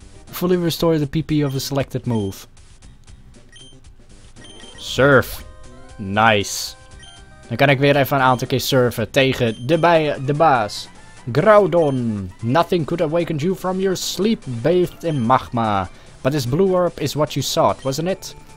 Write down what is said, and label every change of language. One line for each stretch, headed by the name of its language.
English: Fully restore the PP of a selected move. Surf. Nice.
Dutch: Dan kan ik weer even een aantal keer surfen tegen de baas. Groudon.
English: Nothing could awaken you from your sleep bathed in magma. But this blue orb is what you sought, wasn't it?